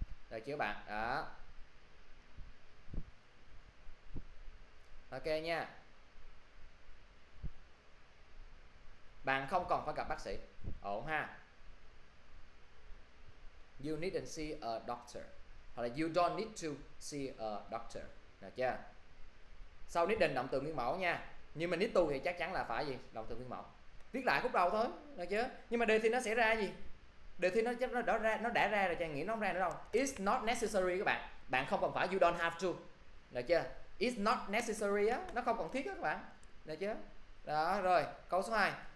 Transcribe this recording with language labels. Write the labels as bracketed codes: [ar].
[vi] Được chưa bạn? Đó. Ok nha. Bạn không còn phải gặp bác sĩ. Ổn ha. [en] You needn't see a doctor. [vi] Hoặc là [en] you don't need to see a doctor. [vi] Được chưa? Sau needn't động từ nguyên mẫu nha. Nhưng mà need to thì chắc chắn là phải gì? Động từ nguyên mẫu. Viết lại khúc đầu thôi, được chưa? Nhưng mà đề thì nó sẽ ra gì? Đề thi nó chắc nó đã ra, nó đã ra rồi, chàng nghĩ nó không ra nữa đâu. [en] It's not necessary [vi] các bạn. Bạn không cần phải, [en] you don't have to. [vi] Được chưa? [en] It's not necessary [vi] á, nó không cần thiết á các bạn. Được chưa? Đó, rồi, câu số 2.